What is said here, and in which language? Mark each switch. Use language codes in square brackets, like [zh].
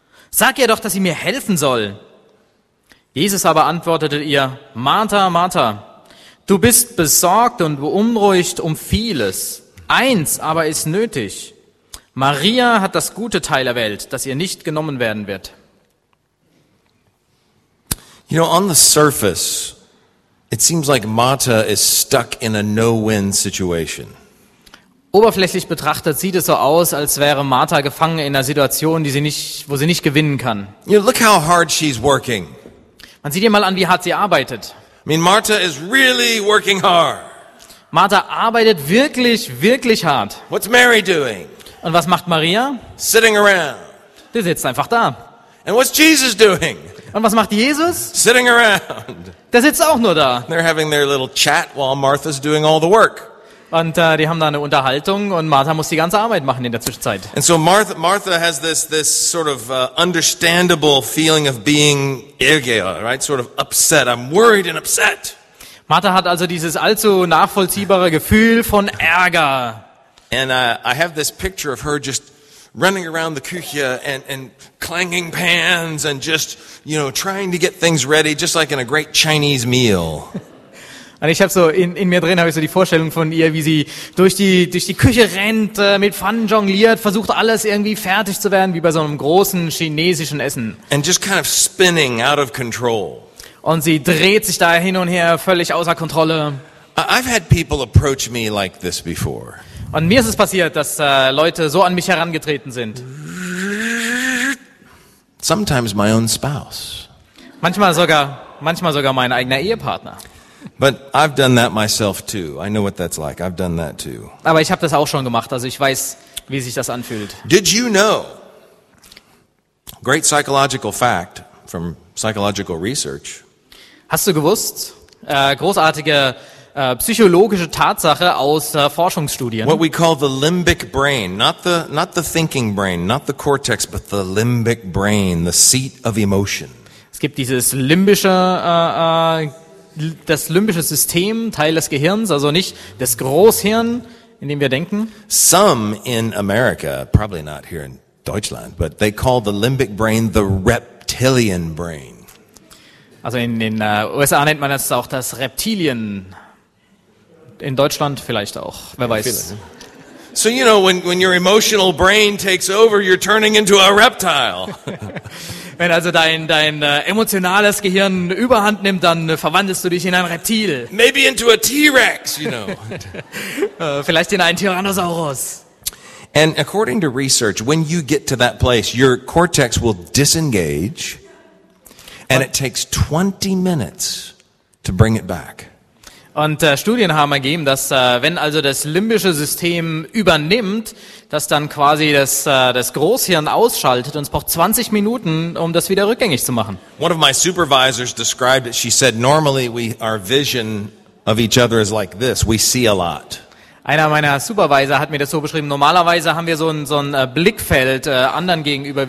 [de] Sag ihr doch, dass sie mir helfen soll. Jesus aber antwortete ihr: Martha, Martha, du bist besorgt und beunruhigt um vieles. Eins aber ist nötig. Maria hat das gute Teil erwählt, das ihr nicht genommen werden wird. [en] You know, on the surface, it seems like Martha is stuck in a no-win situation. [de] Oberflächlich betrachtet sieht es so aus, als wäre Martha gefangen in einer Situation, wo sie nicht gewinnen kann. [en] You know, look how hard she's working. [de] Man sieht ihr mal an, wie hart sie arbeitet. [en] I mean, Martha is really working hard. [de] Martha arbeitet wirklich, wirklich hart. [en] What's Mary doing? [de] Und was macht Maria? [en] Sitting around. [de] Die sitzt einfach da. [en] And what's Jesus doing? [de] Und was macht Jesus? [en] Sitting around. [de] Der sitzt auch nur da. [en] They're having their little chat while Martha's doing all the work. [de] Und die haben da eine Unterhaltung und Martha muss die ganze Arbeit machen in der Zwischenzeit. [en] And so Martha has this sort of understandable feeling of being irgendwie, right? Sort of upset. I'm worried and upset. [de] Martha hat also dieses allzu nachvollziehbare Gefühl von Ärger. [en] And I have this picture of her just running around the Küche and clanging pans and just, you know, trying to get things ready just like in a great Chinese meal. [de] Und ich habe so in mir drin habe ich so die Vorstellung von ihr, wie sie durch die Küche rennt, mit Pfannen jongliert, versucht alles irgendwie fertig zu werden, wie bei so einem großen chinesischen Essen. [en] And just kind of spinning out of control. [de] Und sie dreht sich da hin und her, völlig außer Kontrolle. [en] I've had people approach me like this before. [de] Und mir ist es passiert, dass Leute so an mich herangetreten sind. [en] Sometimes my own spouse. [de] Manchmal sogar mein eigener Ehepartner. [en] But I've done that myself too. I know what that's like. I've done that too. [de] Aber ich habe das auch schon gemacht, also ich weiß, wie sich das anfühlt. [en] Did you know? Great psychological fact from psychological research. [de] Hast du gewusst? Großartige psychologische Tatsache aus Forschungsstudien. [en] What we call the limbic brain, not the thinking brain, not the cortex, but the limbic brain, the seat of emotion. [de] Es gibt dieses limbische das limbische System, Teil des Gehirns, also nicht das Großhirn, in dem wir denken. [en] Some in America, probably not here in Deutschland, but they call the limbic brain the reptilian brain. [de] Also in den USA nennt man das auch das Reptilien. In Deutschland vielleicht auch, wer weiß. [en] So you know, when your emotional brain takes over, you're turning into a reptile. [de] Wenn also dein emotionales Gehirn Überhand nimmt, dann verwandelst du dich in ein Reptil. [en] Maybe into a T-Rex, you know. [de] Vielleicht in einen Tyrannosaurus. [en] And according to research, when you get to that place, your cortex will disengage, and it takes 20 minutes to bring it back. [de] Und Studien haben ergeben, dass wenn also das limbische System übernimmt, dass dann quasi das Großhirn ausschaltet und es braucht 20 Minuten, um das wieder rückgängig zu machen. [en] One of my supervisors described it. She said, normally our vision of each other is like this. We see a lot. [de] Einer meiner Supervisor hat mir das so beschrieben. Normalerweise haben wir so ein Blickfeld anderen gegenüber.